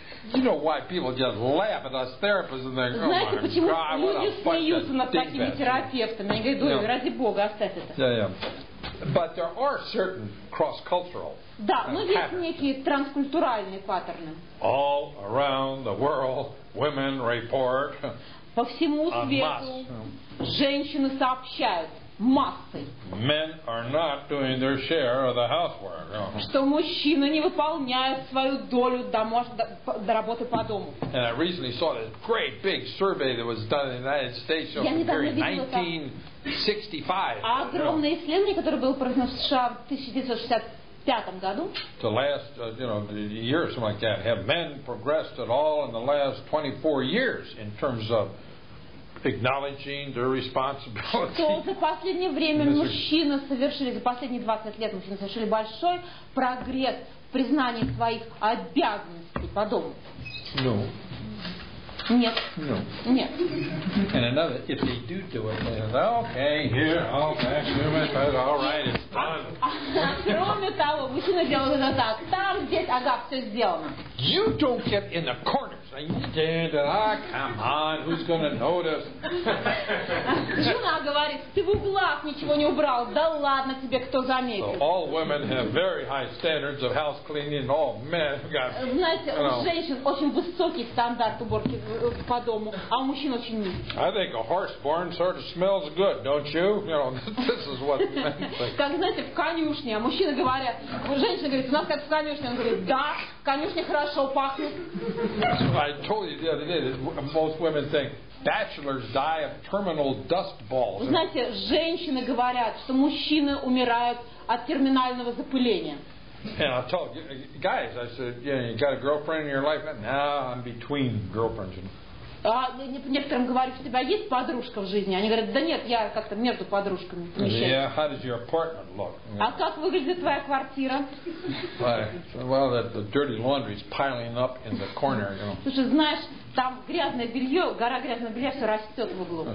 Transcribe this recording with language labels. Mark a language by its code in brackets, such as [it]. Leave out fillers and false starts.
[en] You know why people just laugh at us therapists and they go, oh my God, what a bunch of dingbats. [ru] Знаете, почему люди смеются над такими терапевтами? Они говорят, ради бога, оставь это. [en] Yeah. But there are certain cross-cultural patterns. All around the world, women report [ru] по всему свету женщины сообщают массой. [en] Men are not doing their share of the housework. [ru] Что мужчины не выполняют свою долю до работы по дому. [en] And I recently saw this great big survey that was done in the United States in 1965. [ru] Огромное исследование, которое было проведено в США в 1965 году. [en] The last, year or something like that, have men progressed at all in the last 24 years in terms of acknowledging their responsibility. [ru] Что за последнее время мужчины совершили, за последние 20 лет мужчины совершили большой прогресс в признании своих обязанностей по дому? [en] No. [ru] Нет. [en] No. [ru] Нет. [en] And another, if they do do it, they say, okay, here, I'll back you, all right, it's done. [ru] Кроме того, мужчины делают это так. Там, здесь, ага, все сделано. [en] You don't get in the corner. Come on, who's gonna notice? [ru] Жена говорит, ты в углах ничего не убрал. Да ладно тебе, кто заметит? [en] All women have very high standards of house cleaning. All men have got. [ru] Знаете, у женщин очень высокий стандарт уборки по дому, а у мужчин очень низкий. [en] I think a horse barn sort of smells good, don't you? This is what men think. [ru] Как знаете, в конюшне, а мужчины говорят, женщина говорит, у нас как в конюшне, он говорит, да, конюшня хорошо пахнет. [en] I told you the other day that most women think bachelors die of terminal dust balls. [ru] Знаете, женщины говорят, что мужчины умирают от терминального запыления. [en] And I told guys, I said, you got a girlfriend in your life? No, I'm between girlfriends. [ru] Некоторым говорю, что у тебя есть подружка в жизни? Они говорят, да нет, я как-то между подружками. [en] Yeah, how does your apartment look? [ru] А как выглядит твоя квартира? [en] Well, the dirty laundry is piling up in the corner. [ru] Слушай, знаешь, там грязное белье, гора грязного белья все растет в углу.